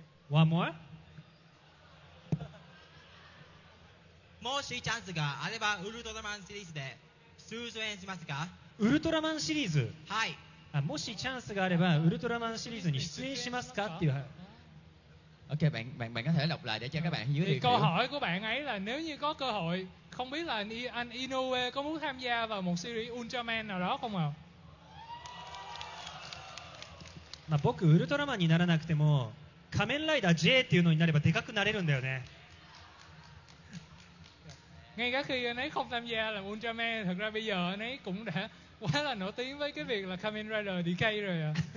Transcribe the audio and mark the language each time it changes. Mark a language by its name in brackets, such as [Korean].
[English] One more. [Japanese] もしチャンスがあればウルトラマンシリーズで出演しますか? ウルトラマンシリーズ? はい。あ、もしチャンスがあればウルトラマンシリーズに出演しますか? っていう。 [Vietnamese] OK, bạn có thể đọc lại để cho các bạn hiểu được. Câu hỏi của bạn ấy là nếu như có cơ hội, không biết là anh Inoue có muốn tham gia vào một series Ultraman nào đó không ạ? [Japanese] Mà 僕 Ultraman にならなくても仮面ライダー J っていうのになればでかくなれるんだよね。 [Vietnamese] Ngay cả khi anh ấy không tham gia làm Ultraman, thật ra bây giờ anh ấy cũng đã quá là nổi tiếng với cái việc là Kamen Rider DK rồi ạ.